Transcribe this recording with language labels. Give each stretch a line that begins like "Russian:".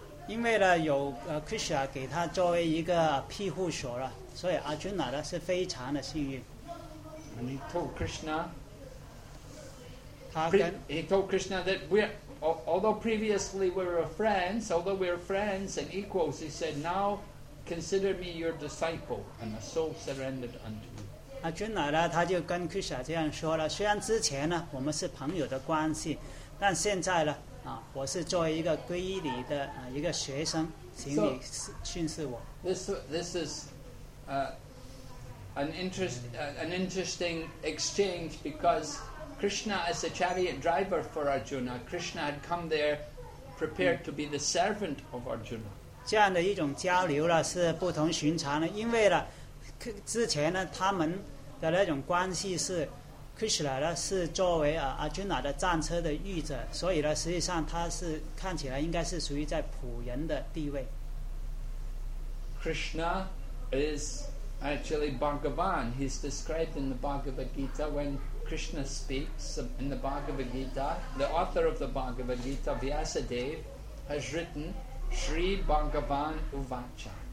Chinese: 因为呢有Krishna 给他作为一个庇护所了，所以阿尊乃呢是非常的幸运。
English: And he told Krishna,
Chinese: 他跟
English: he told Krishna that although previously we were friends, although we were friends and equals, he said, now consider me your disciple and a soul surrendered unto you.
Chinese: 阿尊乃呢，他就跟 Krishna 这样说了，虽然之前呢我们是朋友的关系，但现在呢我是作为一个皈依你的一个学生，请你训示我。
English: So, this is an interesting exchange because Krishna as a chariot driver for Arjuna, Krishna had come there prepared to be the servant of Arjuna.
Chinese: 这样的一种交流呢是不同寻常的，因为呢之前呢他们的那种关系是 Krishna 呢是作为Arjuna 的战车的御者，所以呢实际上他是看起来应该是属于在仆人的地位。
English: Krishna isActually, Bhagavan, he's described in the Bhagavad Gita when Krishna speaks in the Bhagavad Gita. The author of the Bhagavad Gita, Vyasadeva, has written Sri Bhagavan Uvacha.